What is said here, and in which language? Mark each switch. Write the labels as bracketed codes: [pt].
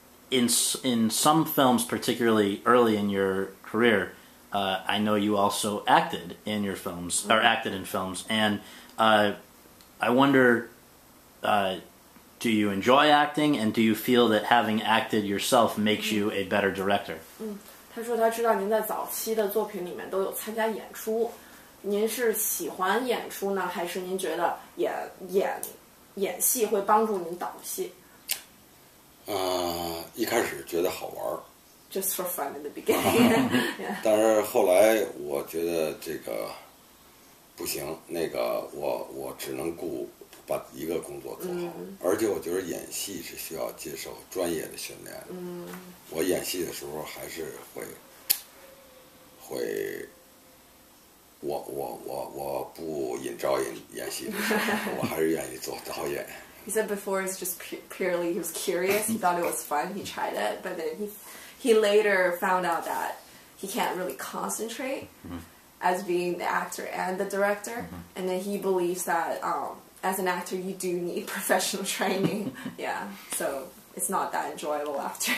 [en] In some films, particularly early in your career, I know you also acted in your films, mm-hmm. or acted in films, and I wonder, do you enjoy acting, and do you feel that having acted yourself makes you a better director? [zh] 他说他知道您在早期的作品里面都有参加演出，您是喜欢演出呢，还是您觉得演戏会帮助您导戏？一开始觉得好玩 [en] just for fun in the beginning. [zh] 但是后来我觉得这个不行，那个我只能顾把一个工作做好、嗯、而且我觉得演戏是需要接受专业的训练的、嗯、我演戏的时候还是会我不引招演戏的时候我还是愿意做导演。 [en] He said before it's just purely he was curious, he thought it was fun, he tried it, but then he later found out that he can't really concentrate as being the actor and the director, and then he believes that as an actor you do need professional training, yeah, so it's not that enjoyable after